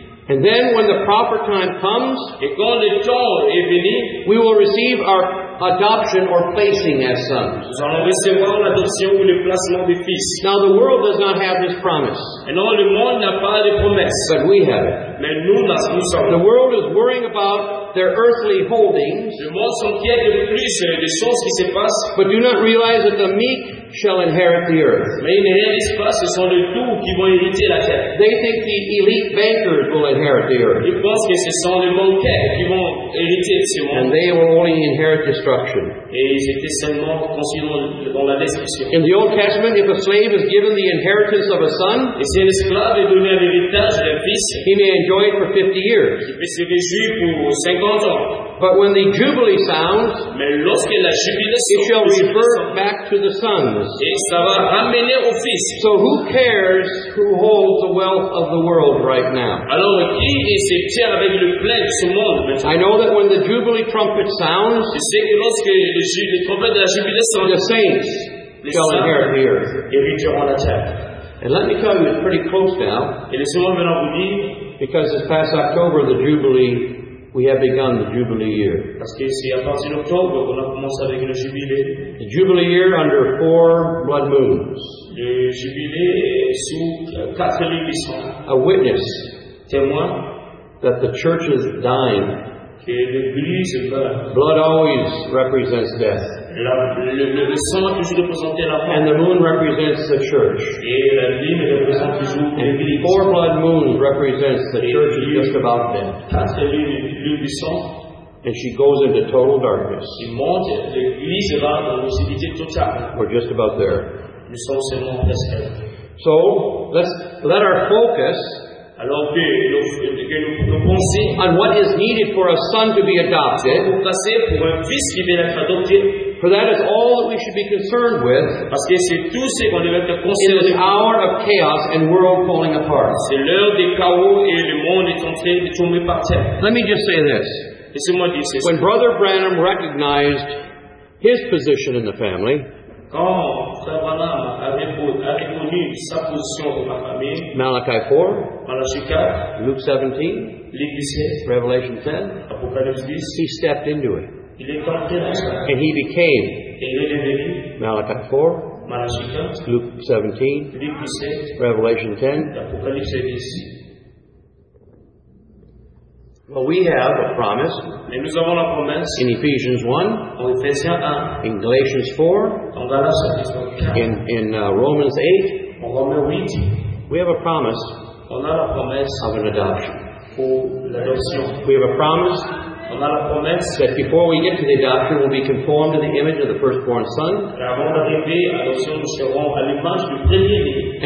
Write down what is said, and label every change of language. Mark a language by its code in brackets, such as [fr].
[en] And then when the proper time comes, we will receive our adoption or placing as sons. [fr] Nous allons recevoir l'adoption ou le placement des fils. [en] Now the world does not have this promise. [fr] Et non, le monde n'a pas de promesse. [en] But we have it. [fr] Mais nous sommes. [en] The world is worrying about their earthly holdings. [fr] Le monde s'inquiète de plus des choses qui se passent. [en] But do not realize that the meek shall inherit the earth. [fr] Mais ils ne réalisent pas, ce sont les doux qui vont hériter la terre. [en] They think the elite bankers will inherit the earth. [fr] Ils pensent que ce sont les banquiers qui vont hériter ce monde. [en] And they will only inherit destruction. [fr] Et ils étaient seulement conscients dans la destruction. [en] In the Old Testament, if a slave is given the inheritance of a son, [fr] et si un esclave est donné l'héritage d'un fils, [en] he may enjoy it for 50 years. [fr] Il peut se réjouir pour 50 ans. [en] But when the jubilee sounds, [fr] mais lorsque la jubilation, [en] it shall revert back to the sons. [fr] Et ça va ramener au fils. [en] So who cares who holds the wealth of the world right now? [fr] Alors qui est ce tiers avec le plein de ce monde maintenant? [en] I know that when the jubilee trumpet sounds, [fr] je sais que lorsque le trompette de la jubilation, [en] the saints shall inherit the [fr] earth. Hériteront la terre. [en] And let me tell you, it's pretty close now. [fr] Et laissez-moi maintenant vous dire, [en] because this past October, the jubilee. We have begun the Jubilee year. [fr] Parce que c'est à partir d'octobre qu'on a commencé avec le jubilée. [en] The Jubilee year under four blood moons. [fr] Le jubilée sous quatre lunes de sang. [en] A witness. [fr] Témoin. [en] That the church is dying. [fr] Que l'église meurt. [en] Blood always represents death. [fr] Le sang a toujours représenté la mort. [en] And the moon represents the church. [fr] Et la lune représente toujours l'église. [en] Four blood moons represents the church is just about dead. [fr] Quatre lunes de sang. [en] And she goes into total darkness. [fr] Il monte, l'église va dans l'obscurité totale. [en] We're just about there. [fr] Nous sommes seulement presque. [en] So let's let our focus. [fr] Alors que nous pensons [en] on what is needed for a son to be adopted. [fr] Pour un fils qui vient d'être adopté. [en] For that is all that we should be concerned with. [fr] Parce que c'est tout ce qu'on devait être [en] concerné. In the hour of chaos and world falling apart. [fr] C'est l'heure des chaos et le monde est en train de tomber par terre. [en] Let me just say this. [fr] Laissez-moi dire ceci. [en] When Brother Branham recognized his position in the family. [fr] Quand Frère Branham a reconnu sa position dans la famille. [en] Malachi 4. Malachi 4. Luke 17. Luke 17. Revelation 10. [fr] Apocalypse 10. [en] He stepped into it. And he became Malachi 4, Luke 17, Revelation 10. Well, we have a promise in Ephesians 1, in Galatians 4, in Romans 8. We have a promise of an adoption. We have a promise. [fr] On a la promesse [en] that before we get to the adoption, we'll be conformed to the image of the firstborn son. [fr] Avant d'arriver à l'adoption, nous serons à l'image du premier-né.